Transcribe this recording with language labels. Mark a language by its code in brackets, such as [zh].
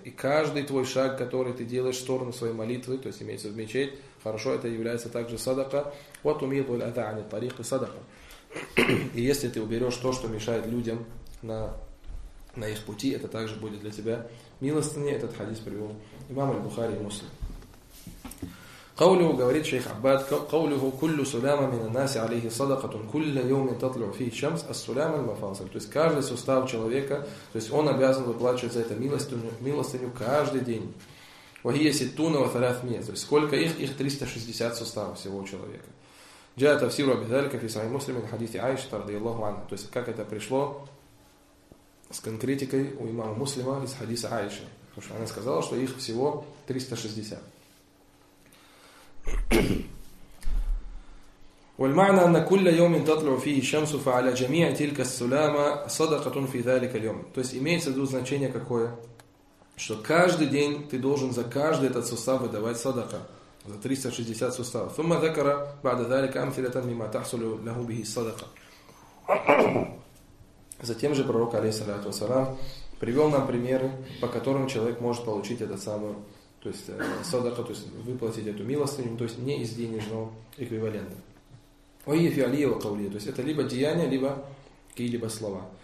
[ru] И каждый твой шаг, который ты делаешь в сторону своей молитвы, то есть имеется в мечеть, хорошо, это является также садака. [ar] وَتُمِيطُ الْأَذَى عَنِ الطَّرِيقِ صَدَقَةً. [ru] И если ты уберешь то, что мешает людям на их пути, это также будет для тебя милостыня. Этот хадис привел имам аль-Бухари и Муслим. [ar] قَوْلُهُ, [ru] говорит шейх Аббад, [ar] قَوْلُهُ كُلُّ سُلَامَ مِنَ النَّاسِ عَلَيْهِ صَدَقَةٌ كُلَّ يَوْمٍ تَطْلُعُ فِي شَمْسْ السُلَامَ الْمَفَاصِلِ. [ru] То есть каждый сустав человека, то есть он обязан выплачивать за это милостыню каждый день. [ar] وَهِيَ سِتُونَ وَثَلَاثْ مِيَةٍ. [ru] То есть сколько их? Их 360 суставов всего человека. [ar] جَاءَ تَفْسِيرُ بِذَلِكَ فِي صَحِيحِ مُسْلِمٍ حَدِيثِ عَائِشَةَ رَضِيَ اللَّهُ عَنْهَا. [ru] То есть как это пришло с конкретикой у имама Муслима из хадиса Аиши, потому что она сказала, что их всего 360. [ar] والمعنى أن كل يوم تطلع فيه الشمس فعلى جميع تلك السلامة صدقة في ذلك اليوم. [ru] То есть имеется в виду значение какое? Что каждый день ты должен за каждый этот сустав выдавать садака за 360 суставов. [ar] ثم ذكر بعد ذلك أمثلة مما تحصل له به الصدقة. [ru] Затем же пророк алейхиссалату вассалам привел нам примеры, по которым человек может получить этот самый, то есть садака, то есть выплатить эту милостыню, то есть не из денежного эквивалента. [ar] Ойе фиалия ва каулия, [ru] то есть это либо деяния, либо какие-либо слова.